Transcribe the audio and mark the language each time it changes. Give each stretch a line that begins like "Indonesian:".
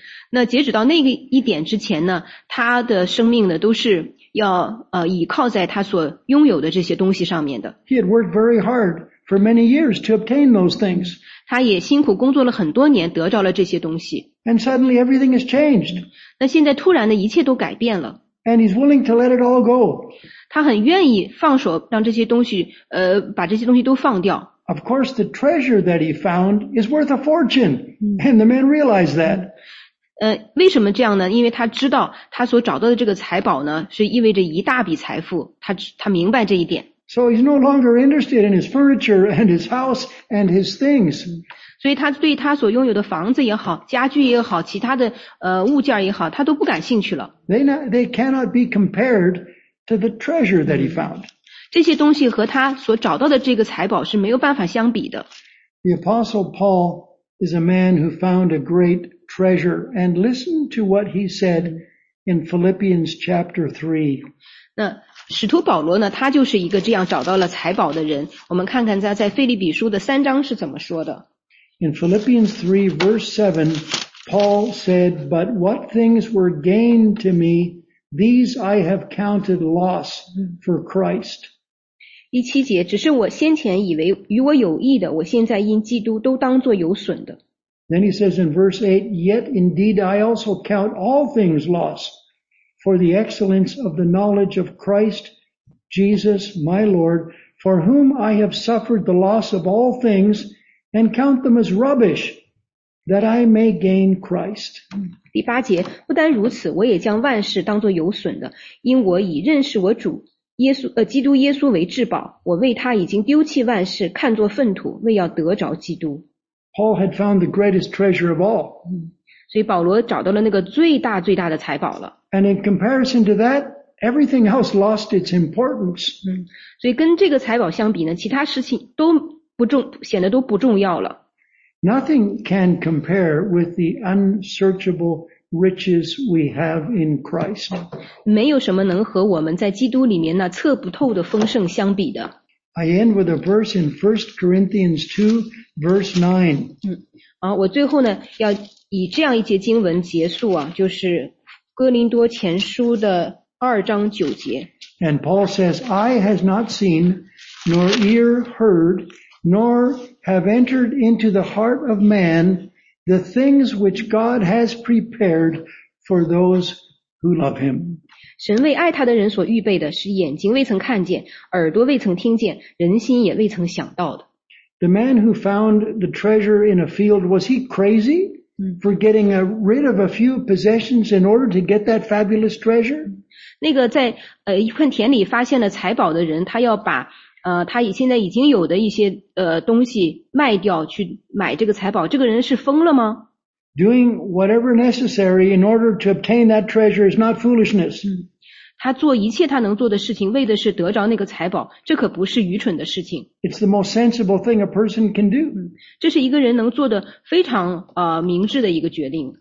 Chinese: 那截止到那个一点之前呢，他的生命呢，都是要倚靠在他所拥有的这些东西上面的。
English: He had worked very hard for many years to obtain those things.
Chinese: 他也辛苦工作了很多年，得到了这些东西。
English: And suddenly everything has changed.
Chinese: 那现在突然的一切都改变了。
English: And he's willing to let it all go.
Chinese: 他很愿意放手让这些东西把这些东西都放掉。
English: Of course, the treasure that he found is worth a fortune. And the man realized that.
Chinese: 为什么这样呢？因为他知道他所找到的这个财宝呢是意味着一大笔财富。他明白这一点。
English: So he's no longer interested in his furniture and his house and his things.
Chinese: 所以他对他所拥有的房子也好，家具也好，其他的物件也好，他都不感兴趣了。
English: They cannot be compared to the treasure that he found.
Chinese: 这些东西和他所找到的这个财宝是没有办法相比的。
English: The Apostle Paul is a man who found a great treasure. And listen to what he said in Philippians chapter 3.
Chinese: 那使徒保罗呢，他就是一个这样找到了财宝的人。我们看看他在腓立比书的三章是怎么说的。
English: In Philippians 3 verse 7, Paul said, But what things were gained to me, these I have counted loss for Christ.
Chinese: 第七节，只是我先前以为与我有益的，我现在因基督都当作有损的。
English: Then he says in verse 8, Yet indeed I also count all things loss. For the excellence of the knowledge of Christ Jesus, my Lord, for whom I have suffered the loss of all things and count them as rubbish, that I may gain Christ.
Chinese: 第八节，不单如此，我也将万事当作有损的，因我以认识我主耶稣基督耶稣为至宝，我为他已经丢弃万事，看作粪土，为要得着基督。
English: Paul had found the greatest treasure of all.
Chinese: 所以保罗找到了那个最大最大的财宝了。
English: And in comparison to that, everything else lost its importance.
Chinese: 所以跟这个财宝相比呢，其他事情都不重，显得都不重要了。
English: Nothing can compare with the unsearchable riches we have in Christ.
Chinese: 没有什么能和我们在基督里面那测不透的丰盛相比的。
English: I end with a verse in 1 Corinthians 2, verse 9.
Chinese: 我最后呢，要以这样一节经文结束啊，就是哥林多前书的二章九节。
English: And Paul says, Eye has not seen, nor ear heard, nor have entered into the heart of man the things which God has prepared for those who love him.
Chinese: 神为爱他的人所预备的是眼睛未曾看见，耳朵未曾听见，人心也未曾想到的。
English: The man who found the treasure in a field, was he crazy? For getting rid of a few possessions in order to get that fabulous treasure?
Chinese: 那个在一片田里发现了财宝的人，他要把他现在已经有的一些东西卖掉去买这个财宝，这个人是疯了吗？
English: Doing whatever necessary in order to obtain that treasure is not foolishness.
Chinese: 他做一切他能做的事情，为的是得着那个财宝，这可不是愚蠢的事情。
English: It's the most sensible thing a person can do.
Chinese: 这是一个人能做的非常明智的一个决定。